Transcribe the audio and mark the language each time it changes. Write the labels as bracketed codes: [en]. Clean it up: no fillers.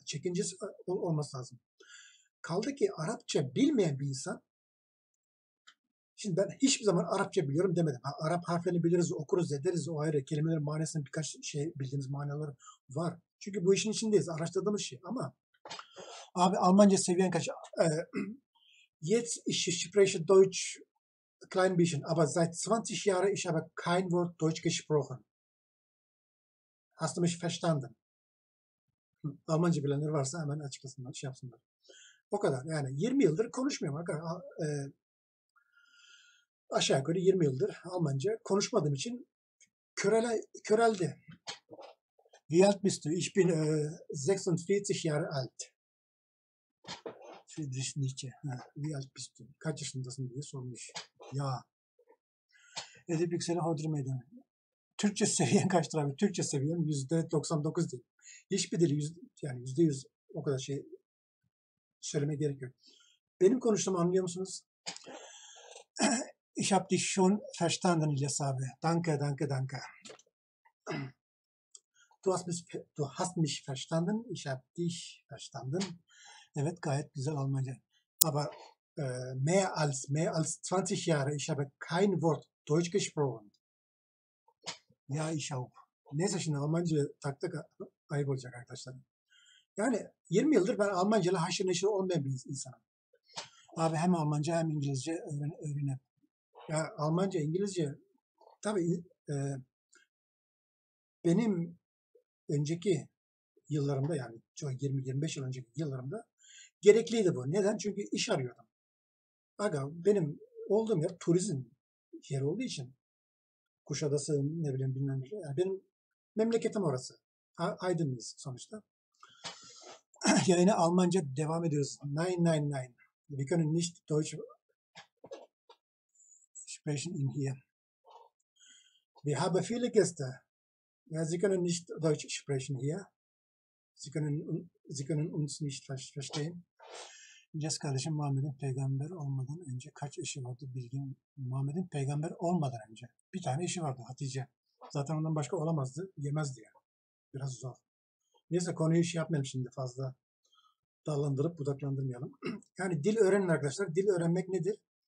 [tr] Çekincesi olması lazım. Kaldı ki Arapça bilmeyen bir insan şimdi ben hiçbir zaman Arapça biliyorum demedim. Ha, Arap harflerini biliriz, okuruz, ederiz o ayrı. Kelimelerin manasını birkaç şey bildiğimiz manaları var. Çünkü bu işin içindeyiz, araştırdığımız şey. Ama abi Almanca seviyen kaç? [de] Jetzt ich spreche Deutsch ein klein bisschen, aber seit 20 Jahren ich habe kein Wort Deutsch gesprochen. Hast du mich verstanden? [tr] Almanca bilenler varsa hemen açıklasınlar, şey yapsınlar. O kadar. Yani 20 yıldır konuşmuyorum. Aşağı yukarı 20 yıldır Almanca konuşmadığım için köreldi. [de] Wie alt bist du? Ich bin 46 Jahre alt. Friedrich Nietzsche. Wie alt bist du? [tr] Kaç yaşındasın diye sormuş. Ya. Edip Yüksel'e hodri meydanı. Türkçe seviyen kaçtır abi? Türkçe seviyen %99 değil. Hiçbir dili yüz, yani %100 o kadar şey söyleme gerek yok. Benim konuştuğumu anlıyor musunuz? [de] Ich hab dich schon verstanden, İlyas abi. Danke, danke, danke. Du hast mich verstanden. Ich hab dich verstanden. [tr] Evet, gayet güzel Almanca. [de] Aber mehr als 20 Jahre ich habe kein Wort Deutsch gesprochen. Ya ich auch. [tr] Neyse şimdi Almanca taktık ayıp olacak arkadaşlar. Yani 20 yıldır ben Almanca ile haşır neşir olmayan bir insanım. Abi hem Almanca hem İngilizce öğrenip. Ya Almanca, İngilizce tabii benim önceki yıllarımda yani 20-25 yıl önceki yıllarımda gerekliydi bu. Neden? Çünkü iş arıyordum. Aga benim olduğum yer turizm yeri olduğu için Kuşadası ne bileyim bilmem ne. Yani benim memleketim orası. Aydın'ız sonuçta. Yani Almanca devam ediyoruz. [de] Nein, nein, nein. Wir können nicht Deutsch sprechen in hier. Wir haben viele Gäste. Ja, Sie können nicht Deutsch sprechen hier. Sie können uns nicht verstehen. [tr] İlyas kardeşim Muhammed'in peygamber olmadan önce kaç eşi vardı bilgin? Muhammed'in peygamber olmadan önce bir tane eşi vardı, Hatice. Zaten ondan başka olamazdı, yemezdi yani. Biraz zor. Neyse konuyu şey yapmayalım şimdi fazla. Dallandırıp budaklandırmayalım. Yani dil öğrenin arkadaşlar. Dil öğrenmek nedir?